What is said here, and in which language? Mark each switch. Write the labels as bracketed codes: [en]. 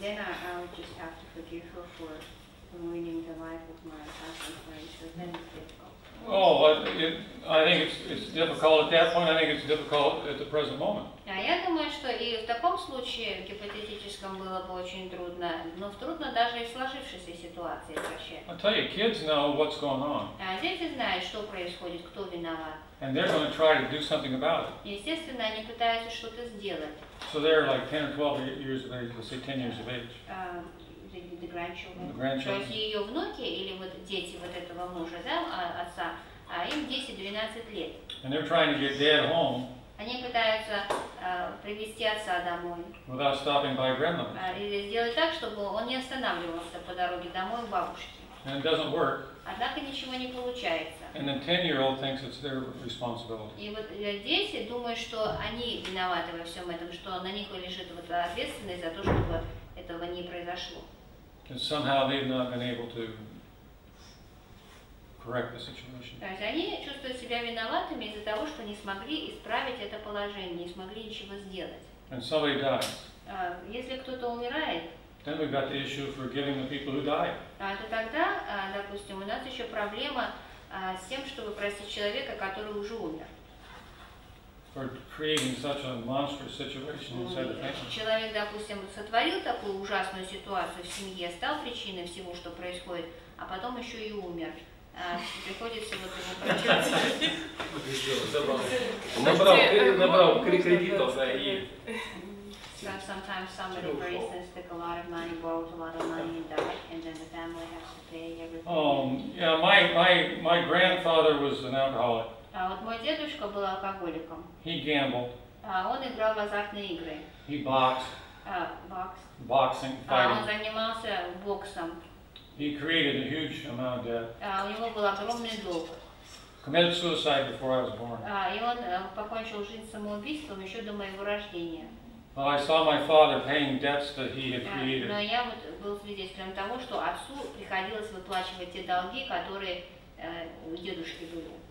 [en] Then I would just have to forgive her for ruining the life of my husband. So then it's difficult. Oh, I think it's difficult at that point. I think it's difficult at the present moment. [ru] А я думаю, что и в таком случае в гипотетическом было бы очень трудно, но трудно даже и в сложившейся ситуации вообще. [en] I tell you, kids know what's going on. [ru] А дети знают, что происходит, кто виноват. [en] And they're going to try to do something about it. [ru] Естественно, они пытаются что-то сделать. [en] So they're like 10 or 12 years of age, let's say 10 years of age. The grandchildren. [ru] То есть ее внуки или вот дети вот этого мужа, да, отца, им 10-12 лет. [en] And they're trying to get dad home. [ru] Они пытаются привести отца домой. [en] Without stopping by grandmother. [ru] Или сделать так, чтобы он не останавливался по дороге домой к бабушке. [en] and it doesn't work. [ru] Однако ничего не получается. [en] And then 10-year-old thinks it's their responsibility. [ru] И вот дети думают, что они виноваты во всем этом, что на них лежит вот ответственность за то, чтобы этого не произошло. [en] And somehow they've not been able to correct the situation. [ru] То есть они чувствуют себя виноватыми из-за того, что не смогли исправить это положение, не смогли ничего сделать. [en] And somebody dies. [ru] Если кто-то умирает. [en] Then we've got the issue of forgiving the people who died. [ru] То тогда, допустим, у нас еще проблема с тем, чтобы простить человека, который уже умер. [en] For creating such a monstrous situation inside the family. [ru] Человек, допустим, сотворил такую ужасную ситуацию в семье, стал причиной всего, что происходит, а потом еще и умер. Приходится вот ему Набрал кредитов, да, и... [en] Sometimes somebody, for instance, took a lot of money, borrowed a lot of money, and died, and then the family has to pay everything. Yeah, my grandfather was an alcoholic. [ru] Вот мой дедушка был алкоголиком. [en] He gambled. [ru] Он играл в азартные игры. [en] He boxed. Boxing, fighting. [ru] Он занимался боксом. [en] He created a huge amount of debt. [ru] У него был огромный долг. [en] Committed suicide before I was born. [ru] И он покончил жизнь самоубийством еще до моего рождения. [en] Well, I saw my father paying debts that he had created. [ru] Но я вот был свидетелем того, что отцу приходилось выплачивать те долги, которые у дедушки были.